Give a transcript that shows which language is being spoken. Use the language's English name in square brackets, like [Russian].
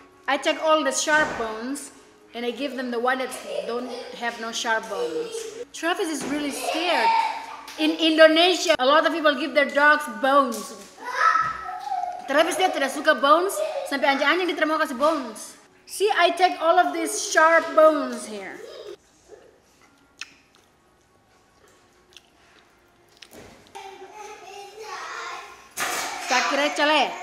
[English] I take all the sharp bones and I give them the one that don't have no sharp bones. Travis is really scared. In Indonesia, a lot of people give their dogs bones. [Indonesian] Travis dia tidak suka bones, sampai anjing-anjing dia tidak mau kasih bones. [English] See, I take all of these sharp bones here. Tak kira cale.